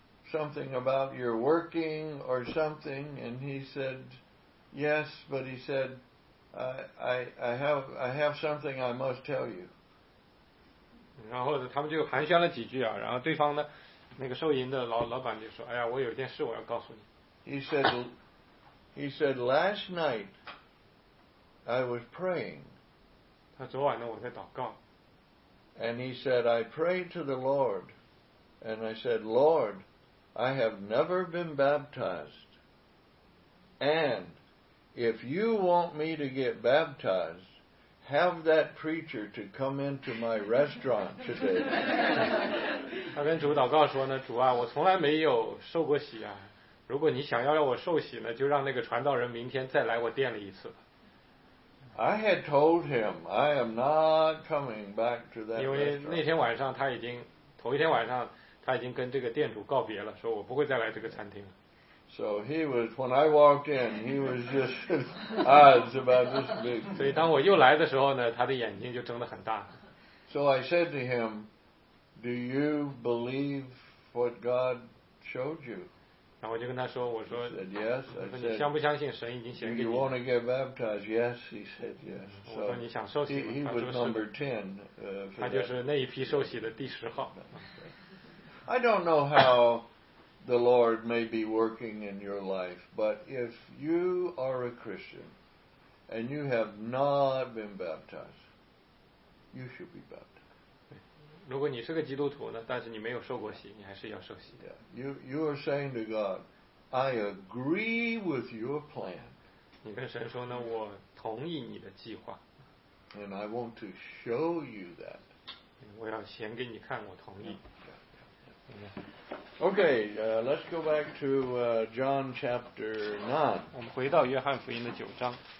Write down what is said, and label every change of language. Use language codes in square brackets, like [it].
[en] Something about you're working or something, and he said, "Yes," but he said, "I have something I must tell you." [zh] 然后他们就寒暄了几句啊，然后对方呢，那个收银的老板就说，哎呀，我有一件事我要告诉你。 [en] He said, "Last night I was praying." [zh] 他昨晚呢我在祷告。 [en] And he said, "I prayed to the Lord, and I said, Lord." I have never been baptized, and if you want me to get baptized, have that preacher to come into my restaurant today. [zh] 他跟主祷告说呢，主啊，我从来没有受过洗啊，如果你想要让我受洗呢，就让那个传道人明天再来我店里一次。 [en] I had told him I am not coming back to that restaurant. [zh] 因为那天晚上他已经头一天晚上。他已经跟这个店主告别了，说我不会再来这个餐厅了。 [en] So he was when I walked in, he was just eyes about this big. [zh] 所以当我又来的时候呢，他的眼睛就睁得很大。 [en] So I said to him, "Do you believe what God showed you?" [zh] 然后我就跟他说，我说 [en] said, "Yes." [zh] 我说你相不相信神已经显给你 [en] ？Do you want to get baptized? Yes, he said yes. [zh] 我说你想受洗吗？他说是。 [en] He was number 10. [zh] 他就是那一批受洗的第十号。 [en] I don't know how the Lord may be working in your life, but if you are a Christian and you have not been baptized, you should be baptized. [zh] 如果你是个基督徒呢，但是你没有受过洗，你还是要受洗。 [en] Yeah. You are saying to God, "I agree with your plan." [zh] 你跟神说呢，我同意你的计划。 [en] And I want to show you that. [zh] 我要显给你看，我同意。 [en] Okay, let's go back to John chapter 9. [zh] 我们回到约翰福音的九章。